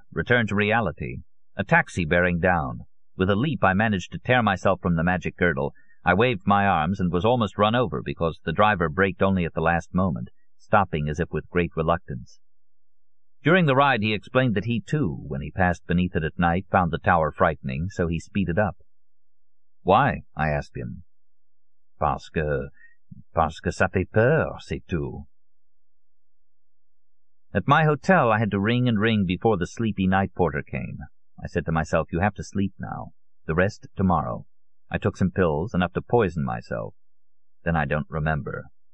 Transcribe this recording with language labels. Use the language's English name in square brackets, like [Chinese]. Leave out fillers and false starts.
[English] Return to reality. A taxi bearing down. With a leap, I managed to tear myself from the magic girdle. I waved my arms and was almost run over because the driver braked only at the last moment, stopping as if with great reluctance. During the ride he explained that he, too, when he passed beneath it at night, found the tower frightening, so he speeded up. Why? I asked him. [French] Parce que ça fait peur, c'est tout. [English] At my hotel I had to ring and ring before the sleepy night porter came. I said to myself, you have to sleep now. The rest tomorrow. I took some pills, enough to poison myself. Then I don't remember.